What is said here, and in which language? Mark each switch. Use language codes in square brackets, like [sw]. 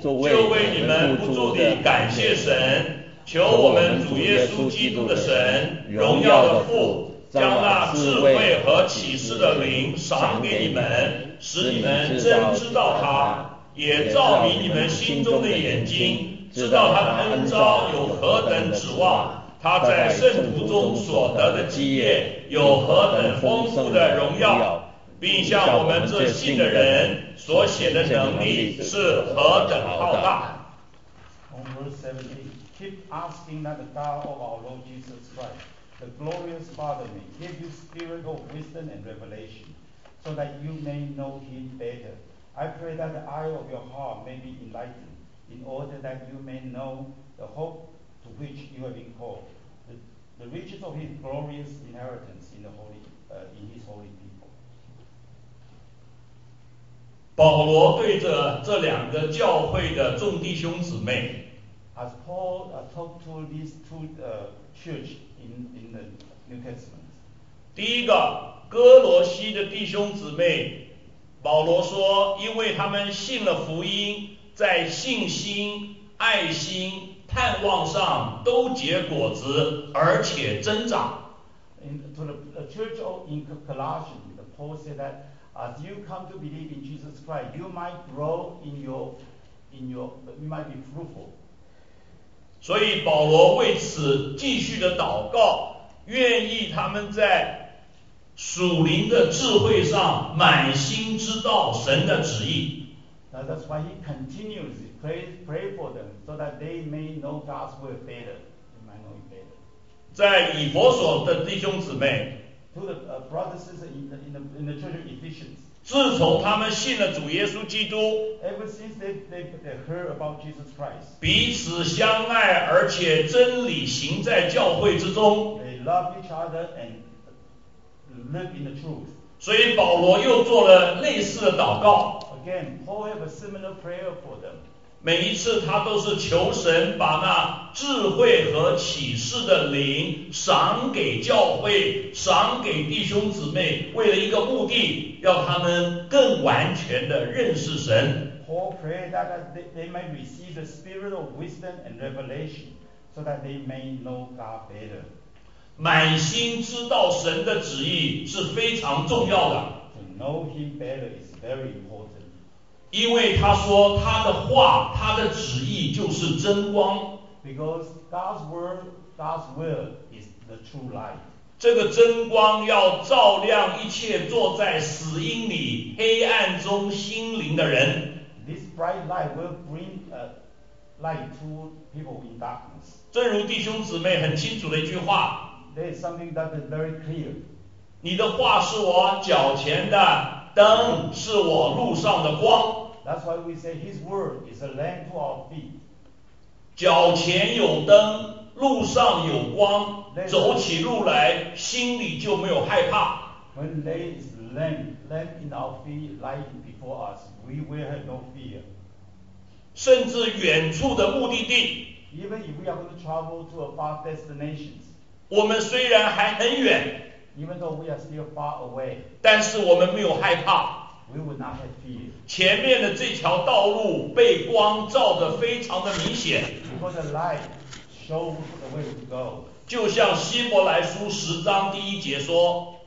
[zh] 就为你们不住地感谢神，求我们主耶稣基督的神，荣耀的父，将那智慧和启示的灵赏给你们，使你们真知道他，也照明你们心中的眼睛，知道他的恩召有何等指望，他在圣徒中所得的基业有何等丰富的荣耀，并向我们这信的人所显的能力是何等浩大。 [en] On verse 17, keep asking that the God of our Lord Jesus Christ, the glorious Father, may give you spirit of wisdom and revelation, so that you may know Him better. I pray that the eye of your heart may be enlightened, in order that you may know the hope to which you have been called, the riches of His glorious inheritance in the holy, in His holy people. [zh] 保罗对着这两个教会的众弟兄姊妹。 [en] As Paul talked to these two church in the New Testament. [zh] 第一个，哥罗西的弟兄姊妹，保罗说，因为他们信了福音，在信心、爱心、盼望上都结果子，而且增长。 [en] To the church in Colossians, the Paul said that as you come to believe in Jesus Christ, you might grow in your, you might be fruitful. [zh] 所以保罗为此继续的祷告，愿意他们在属灵的智慧上满心知道神的旨意。 [en] Now that's why he continues to pray for them so that they may know God's will better. They might know it better. [zh] 在以弗所的弟兄姊妹 [en] To the brothers and sisters in the church of Ephesians. [zh] 自从他们信了主耶稣基督 [en] Ever since they heard about Jesus Christ. [zh] 彼此相爱，而且真理行在教会之中。 [en] They love each other and live in the truth. [zh] 所以保罗又做了类似的祷告。 [en] Again, Paul have a similar prayer for them. [zh] 每一次他都是求神把那智慧和启示的灵赏给教会，赏给弟兄姊妹，为了一个目的，要他们更完全的认识神。 [en] Paul prayed that they may receive the spirit of wisdom and revelation, so that they may know God better. [zh] 满心知道神的旨意是非常重要的。 [en] To know Him better is very important. [zh] 因为他说他的话，他的旨意就是真光。 [en] Because God's word, God's will is the true light. [zh] 这个真光要照亮一切坐在死荫里、黑暗中心灵的人。 [en] This bright light will bring light to people in darkness. [zh] 正如弟兄姊妹很清楚的一句话。 [en] There is something that is very clear. [zh] 你的话是我脚前的灯，是我路上的光。 [en] That's why we say His word is a lamp to our feet. [zh] 脚前有灯，路上有光，走起路来心里就没有害怕。 [en] When there is lamp in our feet, light before us, we will have no fear. [zh] 甚至远处的目的地。 [en] Even if we are going to travel to a far destination. [zh] 我们虽然还很远。 [en] Even though we are still far away, [zh] 但是我们没有害怕。 [en] We would not have fear. [zh] 前面的这条道路被光照得非常的明显。 [en] Because the light show the way to go. [zh] 就像希伯来书十章第一节说，